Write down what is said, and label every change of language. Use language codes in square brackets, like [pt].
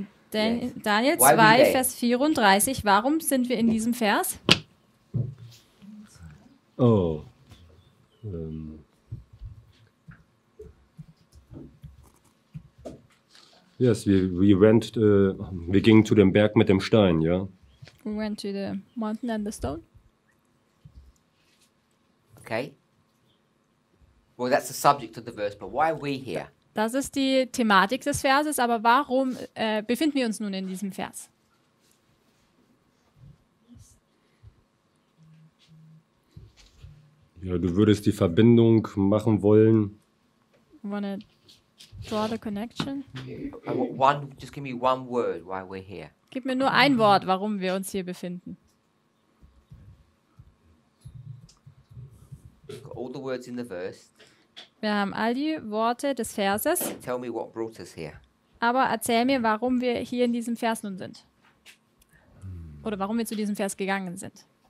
[de] Daniel 2, Vers 34. Warum sind wir in diesem Vers? Oh. [en] Yes, we [de] gingen zu dem Berg mit dem Stein, ja? [en] We went to the mountain and the stone. Okay. Well, that's the subject of the verse, but why are we here? [de] Das ist die Thematik des Verses, aber warum befinden wir uns nun in diesem Vers? Ja, du würdest die Verbindung machen wollen. [en] Wanna draw the connection? Just give me one word while we're here. [de] Gib mir nur ein Wort, warum wir uns hier befinden. [en] All the words in the verse. [de] Wir haben all die Worte des Verses. [en] Tell me what brought us here. [de] Aber erzähl mir, warum wir hier in diesem Vers nun sind. Oder warum wir zu diesem Vers gegangen sind.